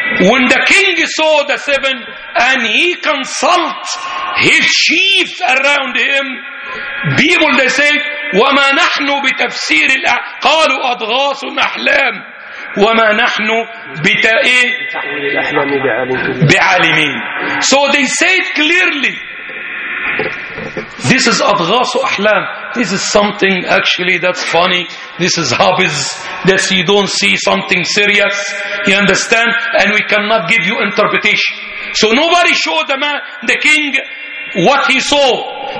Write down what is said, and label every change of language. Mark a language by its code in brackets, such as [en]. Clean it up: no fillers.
[en] When the king saw the seven and he consults his chiefs around him, people they say, [ar] وما نحن بتفسير الأحلام، قالوا أضغاث أحلام، وما نحن بتأيه الأحلام بعالمين. [en] So they said clearly, this is [ar] أضغاث أحلام. [en] This is something actually that's funny. This is hobbies that you don't see something serious. You understand? And we cannot give you interpretation. So nobody showed the man, the king, what he saw.